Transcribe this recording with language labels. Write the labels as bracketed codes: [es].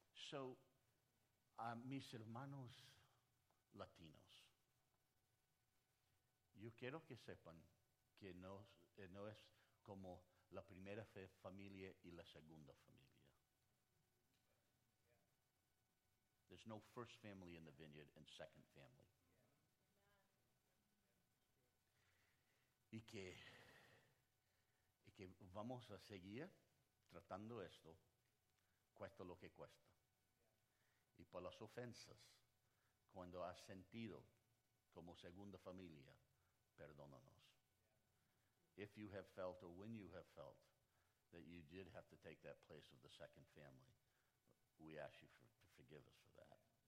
[es] So, mis hermanos Latinos, yo quiero que sepan que no es como la primera familia y la segunda familia. [en] There's no first family in the Vineyard and second family. [es] Y que vamos a seguir tratando esto, cuesta lo que cuesta. Y por las ofensas, cuando has sentido como segunda familia, perdónanos. [en] If you have felt, or when you have felt, that you did have to take that place of the second family, we ask you to forgive us for that.